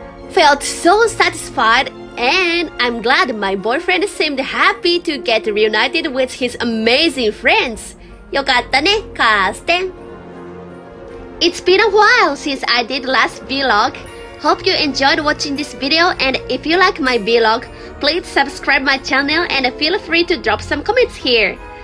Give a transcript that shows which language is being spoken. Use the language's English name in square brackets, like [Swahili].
[English] Felt so satisfied, and I'm glad my boyfriend seemed happy to get reunited with his amazing friends. [Japanese] よかったね、カーステン。 [English] It's been a while since I did last vlog. Hope you enjoyed watching this video, and if you like my vlog, please subscribe my channel and feel free to drop some comments here.